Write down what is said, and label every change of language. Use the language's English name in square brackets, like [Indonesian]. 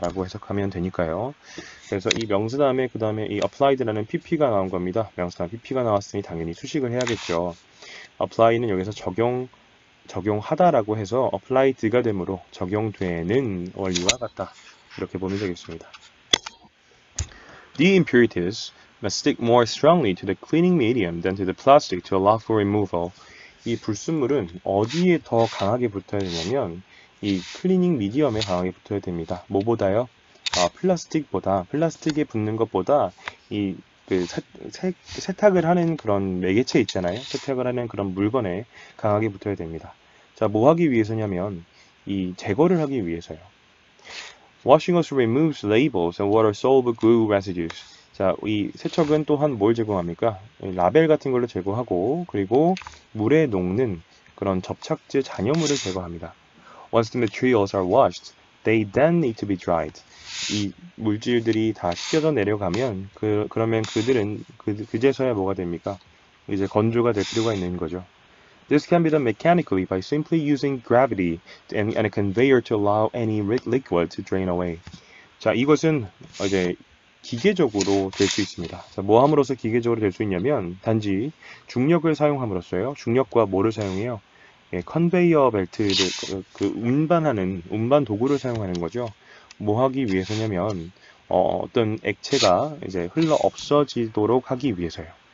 [Korean] 라고 해석하면 되니까요. 그래서 이 명사 다음에, 그 다음에 이 applied라는 pp가 나온 겁니다. 명사 다음에 pp가 나왔으니 당연히 수식을 해야겠죠. apply는 여기서 적용하다라고 해서 applied가 되므로 적용되는 원리와 같다. 이렇게 보면 되겠습니다. [English] The impurities must stick more strongly to the cleaning medium than to the plastic to allow for removal. [Korean] 이 불순물은 어디에 더 강하게 붙어야 되냐면 이 클리닝 미디엄에 강하게 붙어야 됩니다. 뭐보다요? 플라스틱보다 플라스틱에 붙는 것보다 이그 세탁을 하는 그런 매개체 있잖아요. 세탁을 하는 그런 물건에 강하게 붙어야 됩니다. 자, 뭐 하기 위해서냐면 이 제거를 하기 위해서요. [English] Washing also removes labels and water soluble glue residues. [Korean] 자, 이 세척은 또한 뭘 제거합니까? 라벨 같은 걸로 제거하고, 그리고 물에 녹는 그런 접착제 잔여물을 제거합니다. [English] Once the materials are washed, they then need to be dried. [Korean] 이 물질들이 다 씻겨져 내려가면, 그러면 그들은, 그제서야 뭐가 됩니까? 이제 건조가 될 필요가 있는 거죠. [English] This can be done mechanically by simply using gravity and a conveyor to allow any liquid to drain away. [Korean] 자, 이것은 이제 기계적으로 될수 있습니다. 자, 뭐 함으로써 기계적으로 될수 있냐면 단지 중력을 사용함으로써요. 중력과 뭐를 사용해요? 예, 컨베이어 벨트를 그 운반 도구를 사용하는 거죠. 뭐 하기 위해서냐면 어떤 액체가 이제 흘러 없어지도록 하기 위해서요.